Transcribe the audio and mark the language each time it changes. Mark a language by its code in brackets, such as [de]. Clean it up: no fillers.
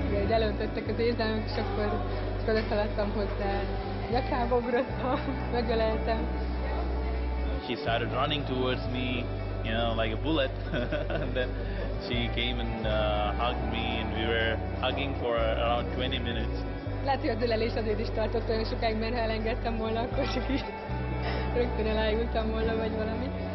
[hu] Elöntöttek az érzelmek, és akkor oda szaladtam hozzá, nyakába ugrottam, megöleltem. [en] She started running towards me, you know, like a bullet. And then she came and hugged me, and we were hugging for around 20 minutes. [hu] Lehet, hogy az ölelés azért is tartott olyan sokáig, mert ha elengedtem volna, akkor csak is rögtön elájultam volna, vagy valami.